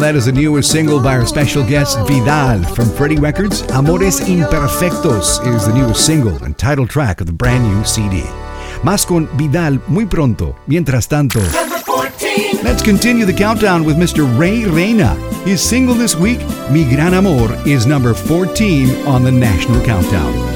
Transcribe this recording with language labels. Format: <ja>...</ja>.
<en>That is the newest single by our special guest Vidal from Freddy Records. Amores Imperfectos is the newest single and title track of the brand new CD.</en> <es>Más con Vidal muy pronto. Mientras tanto,</es> <en>let's continue the countdown with Mr. Ray Reyna. His single this week, Mi Gran Amor, is number 14 on the national countdown.</en>